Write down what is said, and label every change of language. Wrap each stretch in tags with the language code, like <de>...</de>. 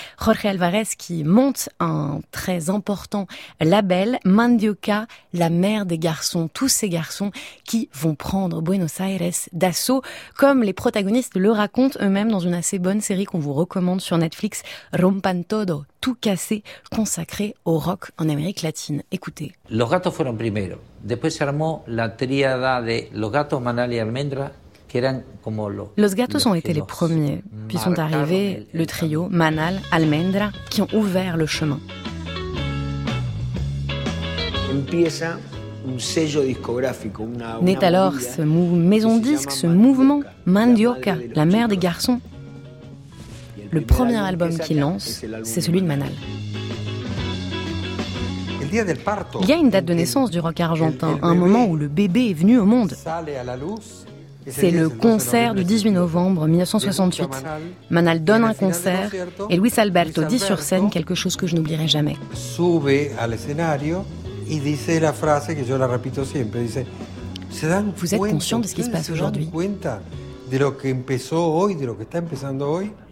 <fr>Jorge Alvarez qui monte un très important label, Mandioca, la mère des garçons. Tous ces garçons qui vont prendre Buenos Aires d'assaut, comme les protagonistes le racontent eux-mêmes dans une assez bonne série qu'on vous recommande sur Netflix, Rompan Todo, tout cassé, consacré au rock en Amérique latine. Écoutez.</fr> <es>Los Gatos fueron primero. Después se armó la tríada de Los Gatos, Manal y Almendra.</es> <fr>Los Gatos ont été les premiers, puis sont arrivés le trio Manal, Almendra, qui ont ouvert le chemin.</fr> <es>Empieza un sello discográfico,</es> <fr>naît</fr> <es>una</es> <fr>alors ce maison disque, ce mouvement Mandioca, la mère des garçons. Le premier album qu'il lance, c'est celui de Manal. Il y a une date de naissance du rock argentin, un moment où le bébé est venu au monde. C'est le concert du 18 novembre 1968. Manal donne un concert et Luis Alberto dit sur scène quelque chose que je n'oublierai jamais.</fr> <es>Sube</es> <fr>à l'</fr> <es>escenario.</es> <fr>Il dit la phrase que je la répète toujours. Il dit,</fr> <es>se dan cuenta,</es> <fr>vous êtes conscient de ce qui se passe aujourd'hui?</fr> <es>De lo que empezó hoy, de lo que está empezando hoy.</es>